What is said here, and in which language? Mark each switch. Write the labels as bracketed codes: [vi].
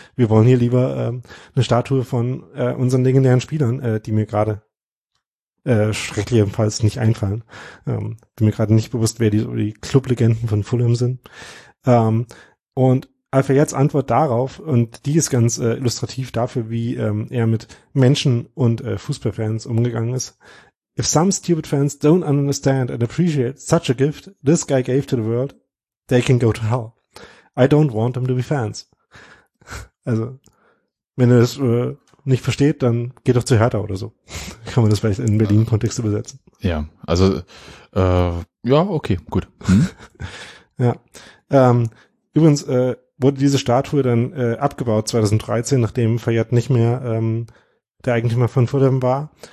[de] Wir wollen hier lieber eine Statue von unseren legendären Spielern, die mir gerade schrecklicherweise nicht einfallen. Bin mir gerade nicht bewusst, wer die Club-Legenden von Fulham sind. Und Al-Fayed's Antwort darauf, und die ist ganz illustrativ dafür, wie er mit Menschen und Fußballfans umgegangen ist. [en] If some stupid fans don't understand and appreciate such a gift this guy gave to the world, they can go to hell. I don't want them to be fans. [de] Also, wenn er das nicht versteht, dann geht doch zu Hertha oder so. Kann man das vielleicht in Berlin-Kontext übersetzen. Ja, also, ja, okay, gut. Ja. Übrigens, wurde diese Statue dann abgebaut 2013, nachdem Fayed nicht mehr der Eigentümer von Fulham war.